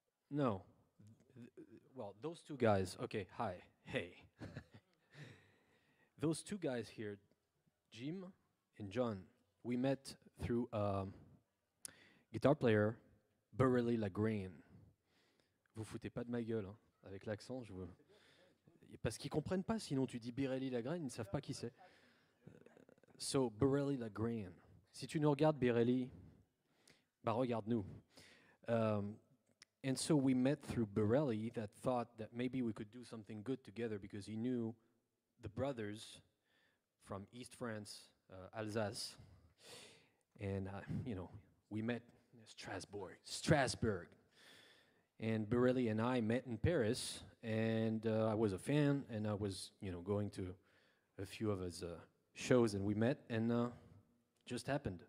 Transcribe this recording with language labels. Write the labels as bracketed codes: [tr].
[en] No. Well, those two guys. Okay. Hi. Hey. Those two guys here, Jim and John, we met through a guitar player, Burley Lagrange. [fr] Vous foutez pas de ma gueule, hein, avec l'accent, je veux. Parce qu'ils comprennent pas, sinon tu dis Burley Lagrange, ils ne savent pas qui c'est. So, Burley Lagrange. Si tu nous regardes, Burley, bah regarde-nous. [en] And so we met through Burley that thought that maybe we could do something good together because he knew the brothers from East France, Alsace, and you know, we met Strasbourg, and Burley and I met in Paris, and I was a fan, and I was, you know, going to a few of his shows, and we met, and just happened.